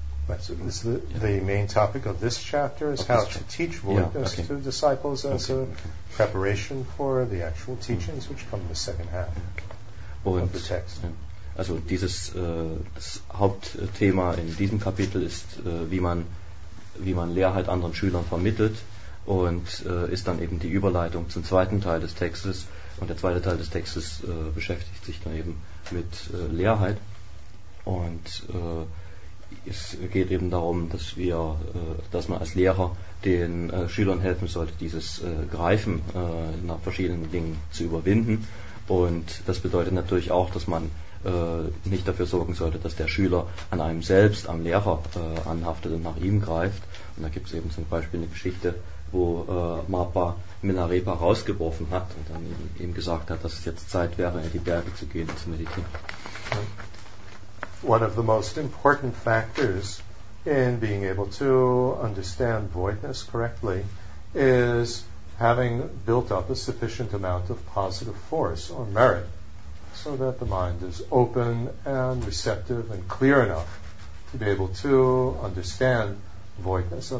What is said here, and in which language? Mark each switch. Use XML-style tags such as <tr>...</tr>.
<en>Right, so this is the main topic of this chapter is how to teach voidness to disciples as a preparation for the actual teachings which come in the second half of the text.</en> <de>Also dieses das Hauptthema in diesem Kapitel ist, wie man Leerheit anderen Schülern vermittelt und ist dann eben die Überleitung zum zweiten Teil des Textes. Und der zweite Teil des Textes beschäftigt sich dann eben mit Leerheit. Und es geht eben darum, dass wir, dass man als Lehrer den Schülern helfen sollte, dieses Greifen nach verschiedenen Dingen zu überwinden. Und das bedeutet natürlich auch, dass man nicht dafür sorgen sollte, dass der Schüler an einem selbst, am Lehrer anhaftet und nach ihm greift. Und da gibt es eben zum Beispiel eine Geschichte, wo Marpa Minarepa rausgeworfen hat und dann ihm gesagt hat, dass es jetzt Zeit wäre, in die Berge zu gehen und zu meditieren.</de> <en>One of the most important factors in being able to understand voidness correctly is having built up a sufficient amount of positive force or merit, so that the mind is open and receptive and clear enough to be able to understand voidness.</en>